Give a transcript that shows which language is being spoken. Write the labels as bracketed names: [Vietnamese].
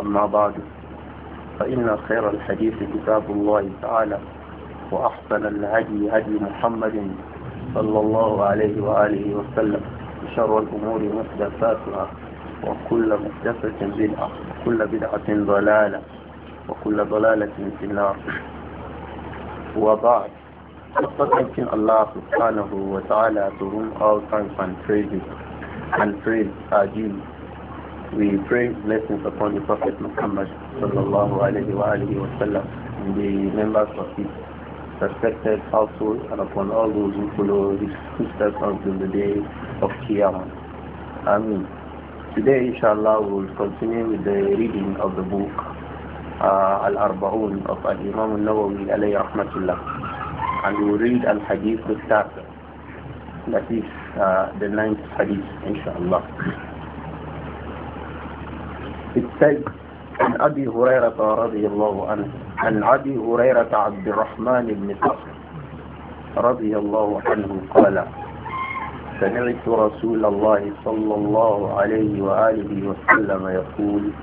[Arabic] أما بعد، فإن خير الحديث كتاب الله تعالى، وأحسن الهدي هدي محمد صلى الله عليه وآله وسلم، وشر الأمور محدثاتها، وكل محدثة بدعة، وكل بدعة ضلالة، وكل ضلالة في النار. وبعد، فتنكين الله سبحانه وتعالى [English] to whom all thanks and praises and praise are due. We pray blessings upon the Prophet Muhammad [Arabic] صلى الله عليه وآله وسلم [English] and the members of his respected household and upon all those who follow his footsteps until the day of Qiyamah. Ameen. Today, inshallah, we will continue with the reading of the book Al-Arba'un of Al-Imam al-Nawawi alayhi rahmatullah. And we will read Al-Hadith with that. That is the ninth Hadith, inshallah. It says, [Arabic] عن أبي هريرة رضي الله عنه، عن أبي هريرة عبد الرحمن بن صخر رضي الله عنه قال: سمعت رسول الله صلى الله عليه وآله وسلم يقول: